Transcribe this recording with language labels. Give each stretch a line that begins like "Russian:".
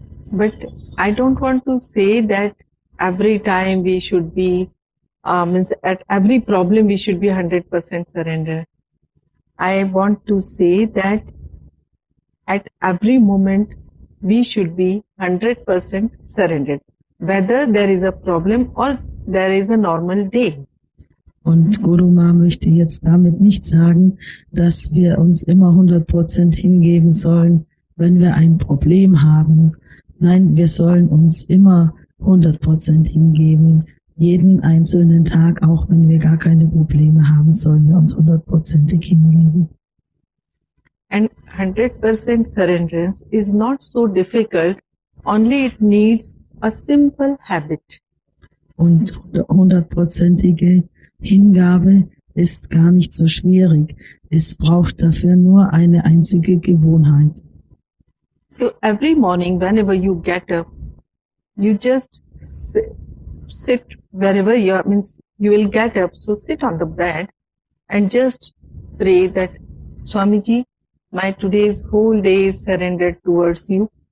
English: But I don't want to say that every time we should be, means at every problem we should be 100% surrender. I want to say that at every moment we should be 100% surrendered, whether there is a problem or there is a normal day.
German: Und Guru Ma möchte jetzt damit nicht sagen, dass wir uns immer 100% hingeben sollen, wenn wir ein Problem haben. Nein, wir sollen uns immer 100% hingeben, jeden einzelnen Tag, auch wenn wir gar keine Probleme haben, sollen wir uns 100% hingeben.
English: And 100% surrenderance is not so difficult, only it needs a simple habit.
German: Und 100%ige Hingabe ist gar nicht so schwierig. Es braucht dafür nur eine einzige Gewohnheit.
English: So every morning, whenever you get up, you just sit wherever you are, means you will get up. So sit on the bed and just pray that, Swamiji, my today's whole day is surrendered towards you.